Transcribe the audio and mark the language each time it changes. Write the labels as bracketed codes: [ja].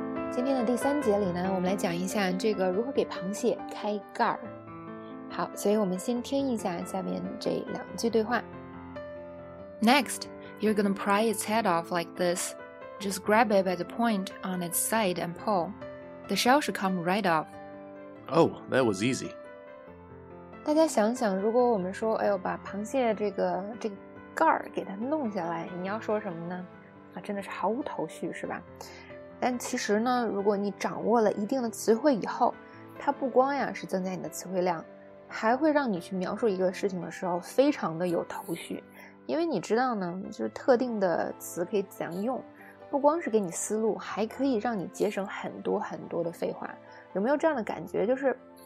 [zh] 今天的第三节里呢，我们来讲一下这个如何给螃蟹开盖儿。好，所以我们先听一下下面这两句对话。 [en] Next, you're gonna pry its head off like this. Just grab it by the point on its side and pull. The shell should come right off. Oh, that was easy. [zh] 大家想想，如果我们说，哎呦，把螃蟹这个盖儿给它弄下来，你要说什么呢？啊，真的是毫无头绪，是吧？但其实呢，如果你掌握了一定的词汇以后，它不光呀是增加你的词汇量，还会让你去描述一个事情的时候非常的有头绪，因为你知道呢，就是特定的词可以怎样用，不光是给你思路，还可以让你节省很多很多的废话。有没有这样的感觉？就是。